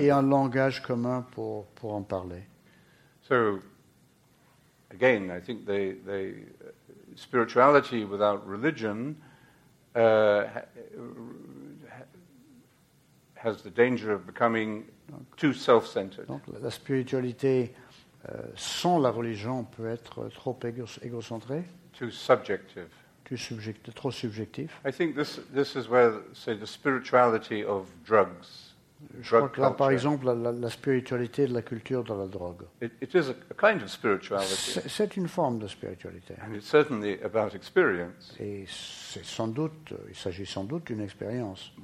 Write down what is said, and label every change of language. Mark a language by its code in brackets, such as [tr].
[fr] et un langage commun pour en parler. [en] So again, I think they spirituality without religion has the danger of becoming too self-centered. [fr] Donc la spiritualité sans la religion peut être trop égocentrée. [en] Too subjective. [fr] Trop subjectif. [en] I think this is where, say, the spirituality of drugs. [fr] Je crois que là, par exemple, la spiritualité de la culture de la drogue. [en] It is a kind of spirituality. [fr] C'est une forme de spiritualité. [en] And it's certainly about experience. [fr] Et c'est sans doute, il s'agit sans doute d'une expérience.